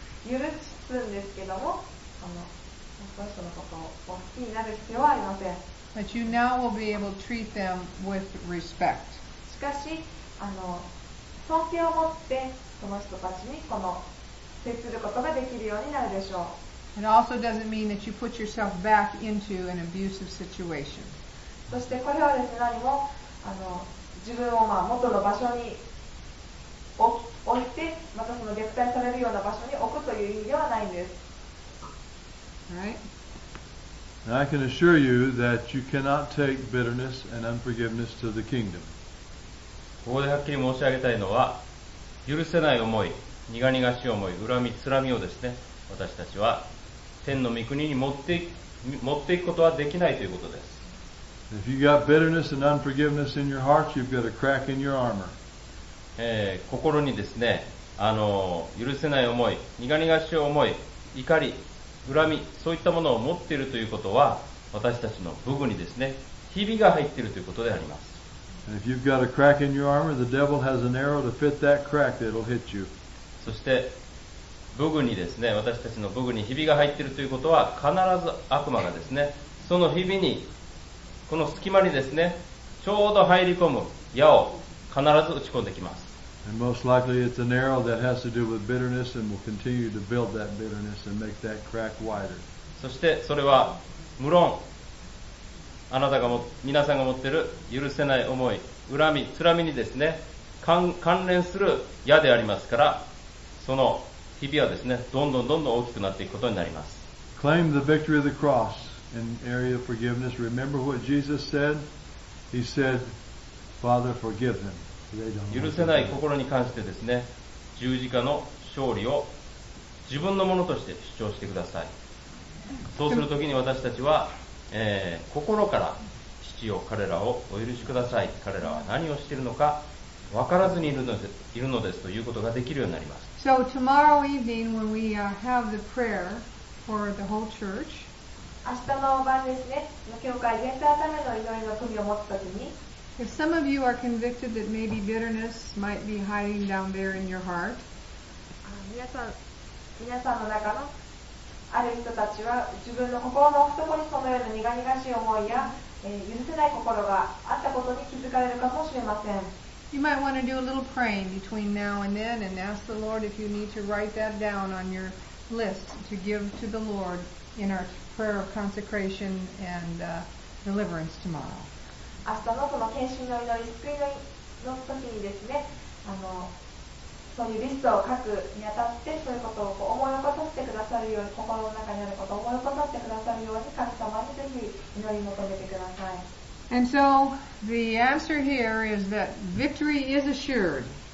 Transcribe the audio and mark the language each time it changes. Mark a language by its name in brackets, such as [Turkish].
[Japanese] 許すんですけども、その人のことを好きになる必要はありません。 [English] But you now will be able to treat them with respect. [Japanese] しかし、尊敬を持ってその人たちにこの接することができるようになるでしょう。 [English] It also doesn't mean that you put yourself back into an abusive situation. [Japanese] そしてこれはですね、何も自分を元の場所に置いて、またその虐待されるような場所に置くという意味ではないんです。 [English] Right? And I can assure you that you cannot take bitterness and unforgiveness to the kingdom. [Japanese] ここではっきり申し上げたいのは、許せない思い、苦々しい思い、恨み、つらみをですね、私たちは天の御国に持っていくことはできないということです。 [English] If you got bitterness and unforgiveness in your heart, you've got a crack in your armor. [Japanese] 心にですね、許せない思い、苦々しい思い、怒り、恨み、そういったものを持っているということは、私たちの武具にですね、ひびが入っているということであります。 [English] If you've got a crack in your armor, the devil has an arrow to fit that crack that'll hit you. [Japanese] そして武具にですね、私たちの武具にひびが入っているということは、必ず悪魔がですね、そのひびに、この隙間にですね、ちょうど入り込む矢を必ず打ち込んできます。 [English] And most likely it's an arrow that has to do with bitterness and will continue to build that bitterness and make that crack wider. [Japanese] そしてそれは、無論、あなたが皆さんが持っている許せない思い、恨み、つらみにですね、関連する矢でありますから、その日々はですね、どんどんどんどん大きくなっていくことになります。 [English] Claim the victory of the cross in area of forgiveness. Remember what Jesus said? He said, Father, forgive them. [Japanese] 許せない心に関してですね、十字架の勝利を自分のものとして主張してください。そうするときに私たちは、心から父よ彼らをお許しください。彼らは何をしているのか分からずにいるのですということができるようになります。 [English] So tomorrow evening when we have the prayer for the whole church, [Japanese] 明日の晩ですね、教会全体のための祈りの組を持つときに、 [English] If some of you are convicted that maybe bitterness might be hiding down there in your heart, [Japanese] 皆さんの中のある人たちは自分の心の懐にそのような苦々しい思いや、許せない心があったことに気づかれるかもしれません。 [English] You might want to do a little praying between now and then and ask the Lord if you need to write that down on your list to give to the Lord in our prayer of consecration and deliverance tomorrow. [Japanese] 明日のその献身の祈り、救いの時にですね、そういうリストを書くにあたって、そういうことをこう思い起こさせてくださるように、心の中にあることを思い起こさせてくださるように、神様にぜひ祈り求めてください。 [English] And so, the answer here is that victory is assured.